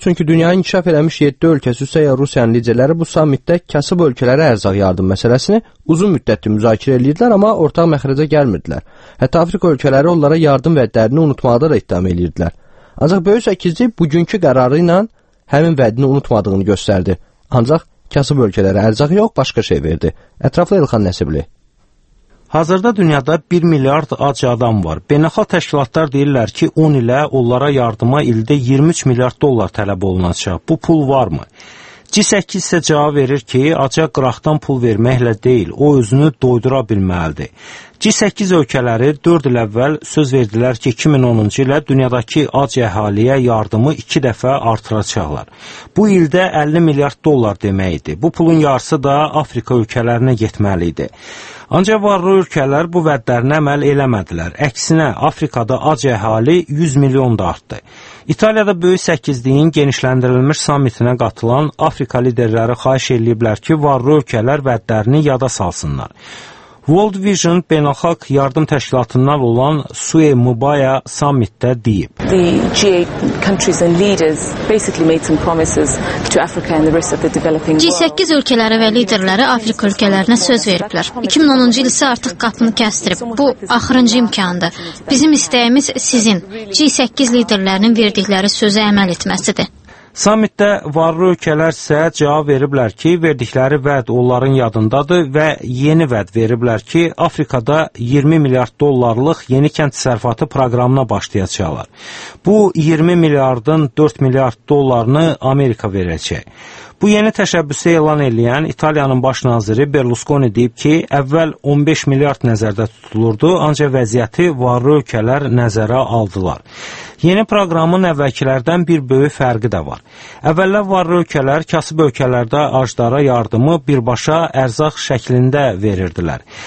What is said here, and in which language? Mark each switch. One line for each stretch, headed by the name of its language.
Azerbaijani: Çünki dünyanın inkişaf eləmiş 7 ölkəsi üstə ya Rusiyanın liderləri bu sammitdə kasıb ölkələrə ərzaq yardım məsələsini uzun müddətli müzakirə edirdilər, amma ortaq məxrəcə gəlmirdilər. Hətta Afrika ölkələri onlara yardım vədlərini unutmağa da iddiam edirdilər. Ancaq Böyük 8-i bugünkü qərarı ilə həmin vədini unutmadığını göstərdi. Ancaq kasıb ölkələrə ərzaq yox, başqa şey verdi. Ətraflı Elxan Nəsibli. Hazırda dünyada 1 milyard ac adam var. Beynəlxalq təşkilatlar deyirlər ki, 10 ilə onlara yardıma ildə 23 milyard dollar tələb olunacaq. Bu pul varmı? G8 isə cavab verir ki, aca qıraqdan pul verməklə deyil, o özünü doydura bilməlidir. G8 ölkələri 4 il əvvəl söz verdilər ki, 2010-cu ilə dünyadakı ac əhaliyə yardımı 2 dəfə artıracaqlar. Bu ildə 50 milyard dollar demək idi. Bu pulun yarısı da Afrika ölkələrinə getməli idi. Ancaq varlı ölkələr bu vədlərinə əməl eləmədilər. Əksinə, Afrikada ac əhali 100 milyon da artdı. İtaliyada Böyük 8-liyin genişləndirilmiş samitinə qatılan Afrika liderləri xahiş ediblər ki, varlı ölkələr vədlərini yada salsınlar. World Vision Beynəlxalq Yardım Təşkilatından olan Sue Mubaya sammitdə deyib.
English: The G8 countries and leaders basically made some promises to Africa and the rest of the developing world.
Azerbaijani: G8 ölkələri və liderləri Afrika ölkələrinə söz veriblər. 2010-cu il isə artıq qapını kəsdirib. Bu axırıncı imkandır. Bizim istəyimiz sizin G8 liderlərinin verdikləri sözə əməl etməsidir. Samitdə varlı ölkələr isə cavab veriblər ki, verdikləri vəd onların yadındadır və yeni vəd veriblər ki, Afrikada 20 milyard dollarlıq yeni kənd təsərrüfatı proqramına başlayacaqlar. Bu 20 milyardın 4 milyard dollarını Amerika verəcək. Bu yeni təşəbbüsü elan edən İtaliyanın baş naziri Berlusconi deyib ki, əvvəl 15 milyard nəzərdə tutulurdu, ancaq vəziyyəti varlı ölkələr nəzərə aldılar. Yeni proqramın əvvəlkilərdən bir böyük fərqi də var. Əvvəllər varlı ölkələr kasıb ölkələrdə aclara yardımı birbaşa ərzaq şəklində verirdilər.